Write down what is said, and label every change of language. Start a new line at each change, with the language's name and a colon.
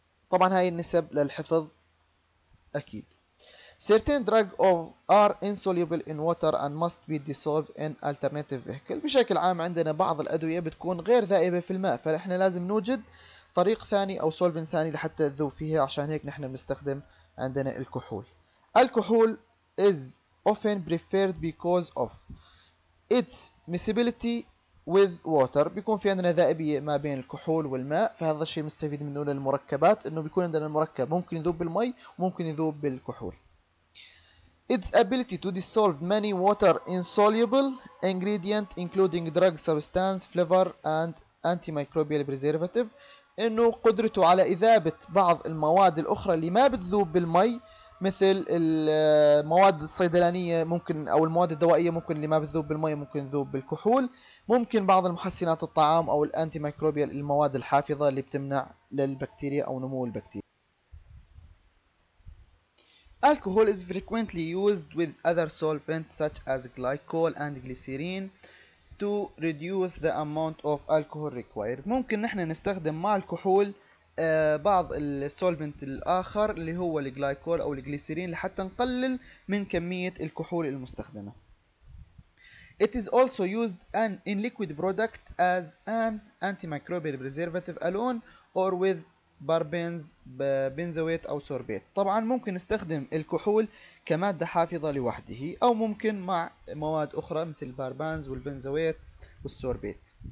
Arabic: طبعا هاي النسب للحفظ اكيد.
English: Certain drugs are insoluble in water and must be dissolved in alternative vehicle.
Arabic: بشكل عام عندنا بعض الادوية بتكون غير ذائبة في الماء، فاحنا لازم نوجد طريق ثاني او سولفن ثاني لحتى تذوب فيها، عشان هيك نحن بنستخدم عندنا الكحول.
English: Alcohol is often preferred because of its miscibility with water.
Arabic: بيكون في عندنا ذائبية ما بين الكحول والماء، فهذا الشيء مستفيد منه للمركبات، انه بيكون عندنا المركب ممكن يذوب بالماء وممكن يذوب بالكحول.
English: Its ability to dissolve many water insoluble ingredients including drug substance, flavor and antimicrobial preservative.
Arabic: انه قدرته على إذابة بعض المواد الأخرى اللي ما بتذوب بالماء، مثل المواد الصيدلانية ممكن أو المواد الدوائية ممكن اللي ما بتذوب بالماء ممكن تذوب بالكحول، ممكن بعض المحسنات الطعام أو الأنتي مايكروبيال المواد الحافظة اللي بتمنع للبكتيريا أو نمو البكتيريا.
English: Alcohol is frequently used with other solvents such as glycol and glycerin to reduce the amount of alcohol required.
Arabic: ممكن نحن نستخدم مع الكحول بعض السولفنت الآخر اللي هو الجلايكول أو الجليسيرين لحتى نقلل من كمية الكحول المستخدمة.
English: It is also used in liquid product as an antimicrobial preservative alone or with parabens,
Arabic: بنزويت أو سوربيت. طبعا ممكن نستخدم الكحول كمادة حافظة لوحده أو ممكن مع مواد أخرى مثل البارابنز والبنزويت والسوربيت.